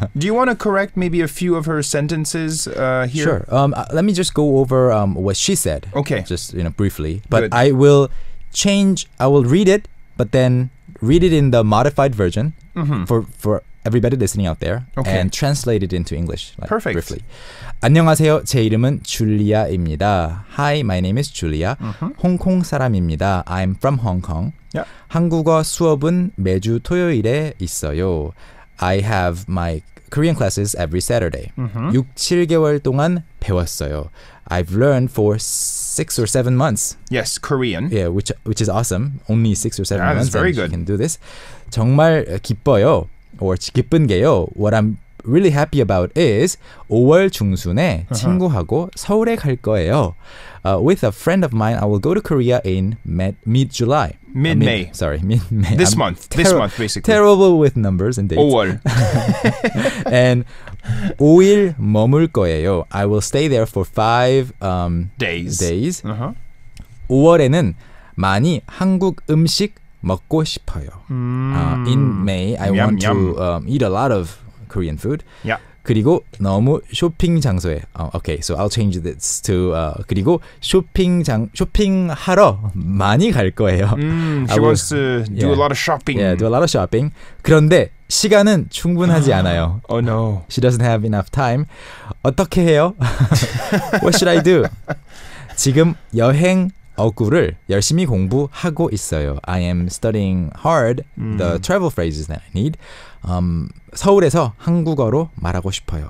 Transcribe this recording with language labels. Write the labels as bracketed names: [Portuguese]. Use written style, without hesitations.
[English] Do you want to correct maybe a few of her sentences here? Sure. Let me just go over what she said. Okay. Just, you know, briefly. But good. I will read it, but then read it in the modified version for everybody listening out there. Okay. And translate it into English. Like, perfect. Briefly. [Korean] 안녕하세요. 제 이름은 줄리아입니다. [English] Hi, my name is Julia. Uh-huh. [Korean] 홍콩 사람입니다. [English] I'm from Hong Kong. Yeah. [Korean] 한국어 수업은 매주 토요일에 있어요. [English] I have my Korean classes every Saturday. Uh-huh. [Korean] 6-7개월 동안 배웠어요. [English] I've learned for 6 or 7 months. Yes, Korean. Yeah, which is awesome. Only 6 or 7 months. That's very good. You can do this. [Korean] 정말 기뻐요. [English] Or [Korean] 기쁜 게요. [English] What I'm really happy about is [Korean] 5월 중순에 [English] uh-huh. [Korean] 친구하고 서울에 갈 거예요. [English] With a friend of mine, I will go to Korea in mid-July. Mid-May. Mid-May. This I'm month. This month, basically. Terrible with numbers and dates. [Korean] 5월. [English] And [Korean] 5일 머물 거예요. [English] I will stay there for 5 days. Uh-huh. [Korean] 5월에는 많이 한국 음식 먹고 싶어요. [English] In May, I want to eat a lot of Korean food. Yeah. [Korean] 그리고 너무 쇼핑 장소에. [English] Okay, so I'll change this to [Korean] 그리고 쇼핑하러 많이 갈 거예요. [English] She wants to do a lot of shopping. Yeah, do a lot of shopping. [Korean] 그런데 시간은 충분하지 않아요. [English] Oh no. She doesn't have enough time. [Korean] 어떻게 해요? [English] What should I do? [Korean] 지금 여행 어구를 열심히 공부하고 있어요. [English] I am studying hard the travel phrases that I need. [Korean] 서울에서 한국어로 말하고 싶어요.